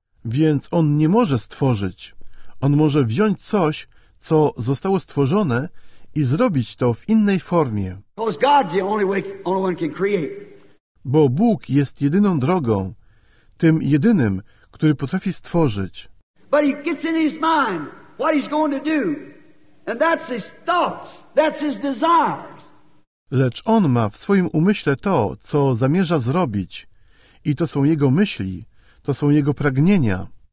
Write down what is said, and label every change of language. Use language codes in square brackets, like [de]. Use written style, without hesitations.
[pl] Więc on nie może stworzyć. On może wziąć coś, co zostało stworzone i zrobić to w innej formie. [en] Because God's the only way, only one can create. [pl] Bo Bóg jest jedyną drogą, tym jedynym, który potrafi stworzyć. [en] But he gets in his mind what he's going to do. And that's his thoughts, that's his desire. [pl] Lecz on ma w swoim umyśle to, co zamierza zrobić. I to są jego myśli, to są jego pragnienia.